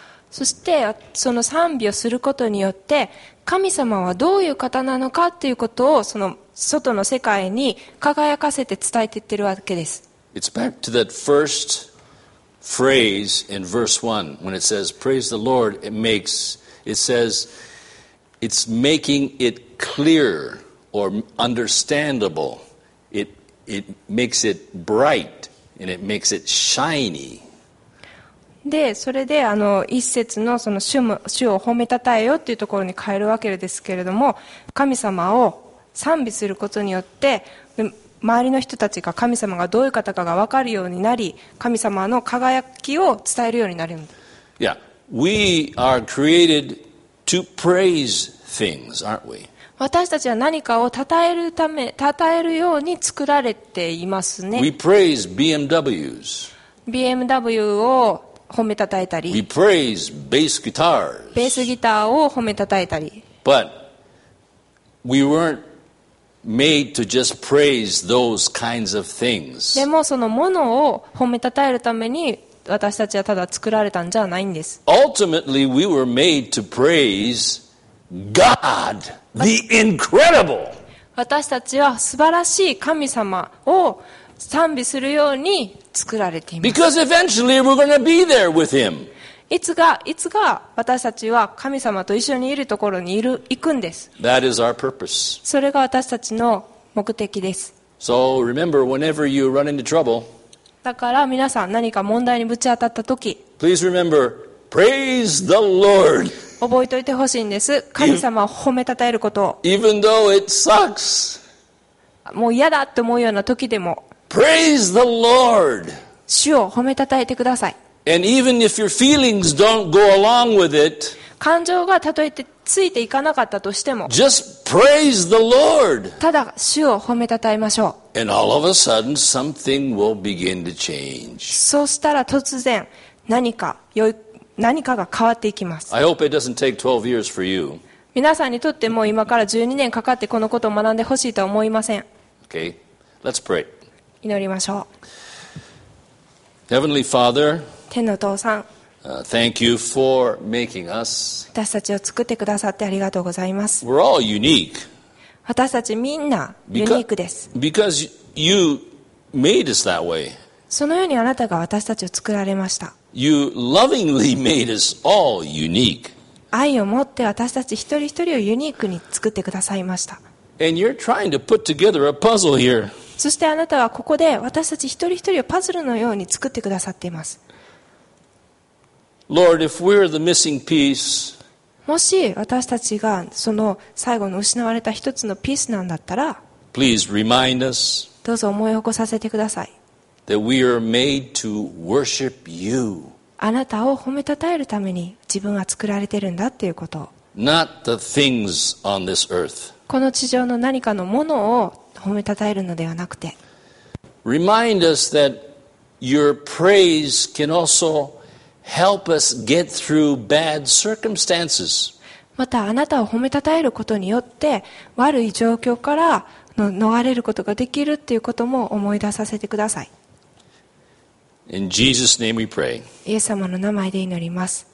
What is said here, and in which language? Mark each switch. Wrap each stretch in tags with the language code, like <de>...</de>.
<ja>そしてその賛美をすることによって神様はどういう方なのかということをその外の世界に輝かせて伝えていってるわけです。</ja> <en>It's back to that first phrase in verse 1 when it says, Praise the Lord, it's making it clear or understandable. It makes it bright and it makes it shiny.</en> <ja>でそれであの一節 の, その主を褒めたたえよというところに変えるわけですけれども、神様を賛美することによって周りの人たちが神様がどういう方かが分かるようになり、神様の輝きを伝えるようになるんだ。</ja> <en>Yeah, we are created to praise things, aren't we?</en> <ja>私たちは何かを称えるように作られていますね。</ja> <en>We praise BMWs.</en> <ja>BMW を褒めたたえたり、</ja> <en>We praise bass guitars.</en> <ja>ベースギターを褒めたたえたり。</ja> <en>But we weren't made to just praise those kinds of things.</en> <ja>でもそのものを褒めたたえるために私たちはただ作られたんじゃないんです。</ja> <en>Ultimately, we were made to praise God, the incredible.</en> <ja>私たちは素晴らしい神様を賛美するように作られています。</ja> <en>Because eventually we're going to be there with him.</en> <ja>いつか私たちは神様と一緒にいるところに行くんです。</ja> <en>That is our purpose.</en> <ja>それが私たちの目的です。</ja> <en>So remember, whenever you run into trouble,</en> <ja>だから皆さん何か問題にぶち当たったとき、</ja> <en>Please remember, praise the Lord.</en> <ja>覚えておいてほしいんです。神様を褒めたたえることを。</ja> <en>Even though it sucks.</en> <ja>もう嫌だって思うような時でも、</ja> <en>Praise the Lord.</en> <ja>主を褒めたたえてください。</ja> <en>And even if your feelings don't go along with it,</en> <ja>感情がたとえてついていかなかったとしても、</ja> <en>Just praise the Lord.</en> <ja>ただ主を褒めたたえましょう。</ja> <en>And all of a sudden, something will begin to change.</en> <ja>そうしたら突然何かが変わっていきます。</ja> <en>I hope it doesn't take 12 years for you.</en> <ja>皆さんにとっても今から12年かかってこのことを学んでほしいとは思いません。</ja> <en>Okay, let's pray.</en> <ja>祈りましょう。</ja> <en>Heavenly Father,</en> <ja>天のお父さん、</ja> <en>thank you for making us.</en> <ja>私たちを作ってくださってありがとうございます。</ja> <en>We're all unique.</en> <ja>私たちみんなユニークです。</ja> <en>Because you made us that way.</en> <ja>そのようにあなたが私たちを作られました。</ja> <en>You lovingly made us all unique.</en> <ja>愛を持って私たち一人一人をユニークに作ってくださいました。</ja> <en>And you're trying to put together a puzzle here.</en> <ja>そしてあなたはここで私たち一人一人をパズルのように作ってくださっています。</ja> <en>Lord, if we're the missing piece,</en> <ja>もし私たちがその最後の失われた一つのピースなんだったら、</ja> <en>Please remind us,</en> <ja>どうぞ思い起こさせてください。</ja> <en>that we are made to worship you.</en> <ja>あなたを褒めたたえるために自分は作られてるんだっていうこと。</ja> <en>Not the things on this earth.</en> <ja>この地上の何かのものを褒めたたえるのではなくて、</ja> <en>Remind us that your praise can also help us get through bad circumstances.</en> <ja>またあなたを褒めたたえることによって悪い状況から逃れることができるっていうことも思い出させてください。</ja> <en>In Jesus' name we pray.</en> <ja>イエス様の名前で祈ります。</ja>